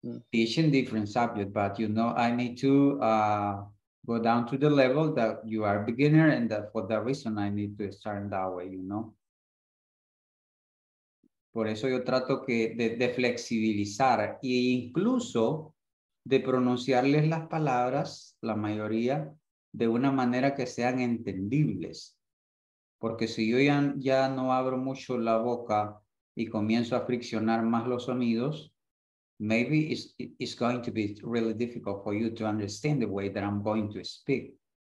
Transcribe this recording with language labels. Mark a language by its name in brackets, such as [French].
[English] Teaching different subjects, but you know, I need to go down to the level that you are a beginner, and that for that reason I need to start in that way, you know. [Spanish] Por eso yo trato que de flexibilizar e incluso de pronunciarles las palabras, la mayoría, de una manera que sean entendibles. Porque si yo ya no abro mucho la boca y comienzo a friccionar más los sonidos, [English] maybe it's going to be really difficult for you to understand the way that I'm going to speak.